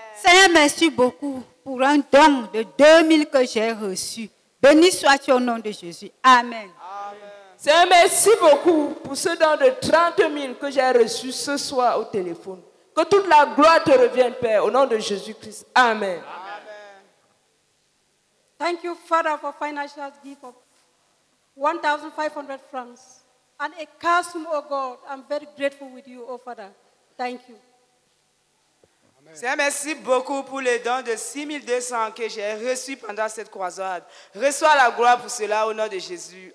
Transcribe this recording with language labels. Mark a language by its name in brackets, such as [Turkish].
[French] Seigneur, merci beaucoup pour un don de 2 000 que j'ai reçu. Béni sois-tu au nom de Jésus. Amen. Amen. Seigneur, merci beaucoup pour ce don de 30 000 que j'ai reçu ce soir au téléphone. Que toute la gloire te revienne, Père, au nom de Jésus-Christ. Amen. Amen. [English] Thank you, Father, for financial gift of 1,500 francs and a custom, O God. I'm very grateful with you, O Father. Thank you. [French] Seigneur, merci beaucoup pour les dons de 6200 que j'ai reçus pendant cette croisade. Reçois la gloire pour cela au nom de Jésus.